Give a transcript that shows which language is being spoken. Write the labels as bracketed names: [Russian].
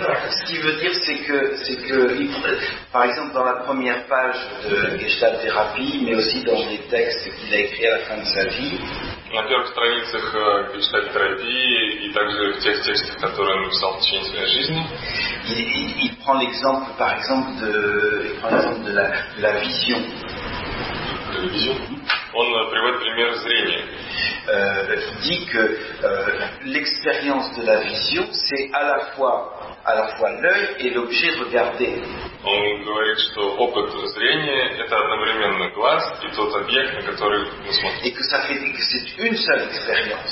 [French] Ce qui veut dire, c'est que, par exemple, dans la première page de Gestalt Thérapie, mais aussi dans les textes qu'il a écrits à la fin de sa vie. [Russian] На первых страницах Gestalt Therapie и также в тех текстах, которые он написал в течение своей жизни. [French] Il prend l'exemple, par exemple, de la vision. De la vision. [Russian] Он приводит пример зрения. [French] Il dit que l'expérience de la vision, c'est à la fois l'œil et l'objet regardé. [Russian] Он говорит, что опыт зрения – это одновременно глаз и тот объект, на который мы смотрим. [French] Et que ça fait, que c'est une seule expérience.